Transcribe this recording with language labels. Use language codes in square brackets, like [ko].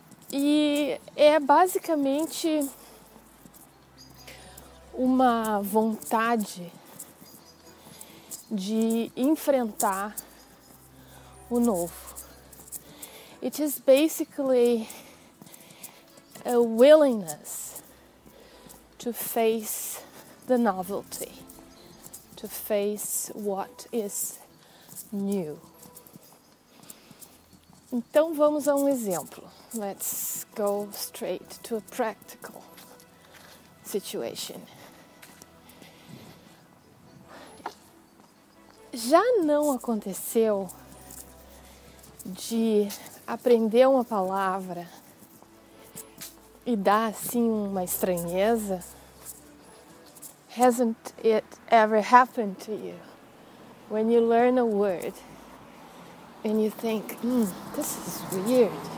[pt] E é basicamente uma vontade de enfrentar o novo. [en] It is basically a willingness to face the novelty, to face what is new. [pt] Então vamos a um exemplo. [en] Let's go straight to a practical situation. [pt] Já não aconteceu de aprender uma palavra e dar assim uma estranheza? [en] Hasn't it ever happened to you when you learn a word and you think, this is weird?